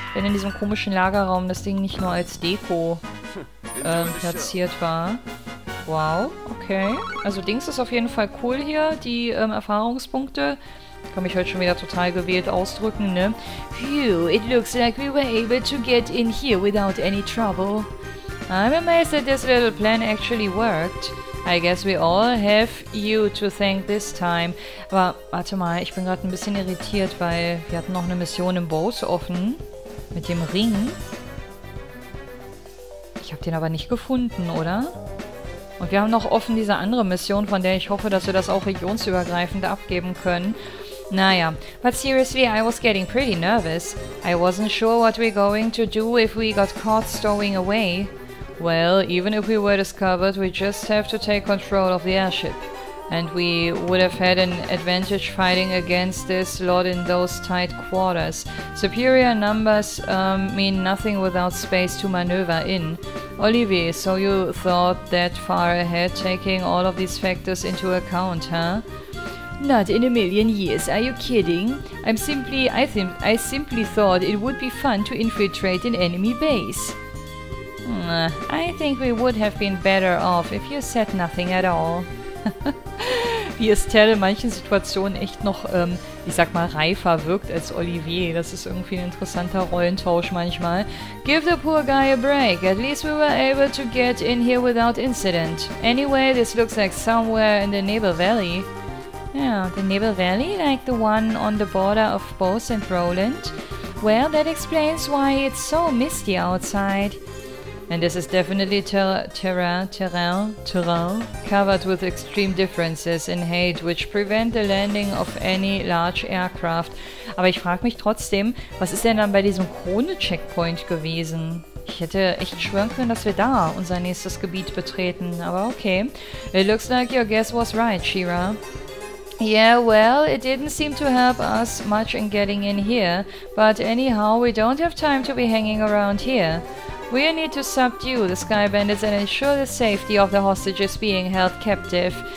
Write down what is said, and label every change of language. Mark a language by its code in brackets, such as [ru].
[de] Wenn in diesem komischen Lagerraum das Ding nicht nur als Deko platziert war. Wow, okay. Also Dings ist auf jeden Fall cool hier, die Erfahrungspunkte. Ich kann mich heute schon wieder total gewählt ausdrücken, ne? [en] Phew, it looks like we were able to get in here without any trouble. I'm amazed that this little plan actually worked. I guess we all have you to thank this time. [de] Aber warte mal, ich bin gerade ein bisschen irritiert, weil wir hatten noch eine Mission im Boot offen. Mit dem Ring. Ich habe den aber nicht gefunden, oder? Und wir haben noch offen diese andere Mission, von der ich hoffe, dass wir das auch regionsübergreifend abgeben können. [en] Naja. But seriously, I was getting pretty nervous. I wasn't sure what we're going to do if we got caught stowing away. Well, even if we were discovered, we just have to take control of the airship. And we would have had an advantage fighting against this lot in those tight quarters. Superior numbers mean nothing without space to maneuver in. Olivier, so you thought that far ahead, taking all of these factors into account, huh? Not in a million years, are you kidding? I simply thought it would be fun to infiltrate an enemy base. I think we would have been better off if you said nothing at all. [de] Wie Estelle in manchen Situationen echt noch, ich sag mal, reifer wirkt als Olivier. Das ist irgendwie ein interessanter Rollentausch manchmal. [en] Give the poor guy a break. At least we were able to get in here without incident. Anyway, this looks like somewhere in the Nebel Valley. Yeah, the Nebel Valley? Like the one on the border of Bose and Roland? Well, that explains why it's so misty outside. And this is definitely terrain covered with extreme differences in height, which prevent the landing of any large aircraft. [de] Aber ich frage mich trotzdem, was ist denn dann bei diesem Krone-Checkpoint gewesen? Ich hätte echt schwören können, dass wir da unser nächstes Gebiet betreten, aber okay. [en] It looks like your guess was right, Shira. Yeah, well, it didn't seem to help us much in getting in here, but anyhow, we don't have time to be hanging around here. We need to subdue the Sky Bandits and ensure the safety of the hostages being held captive.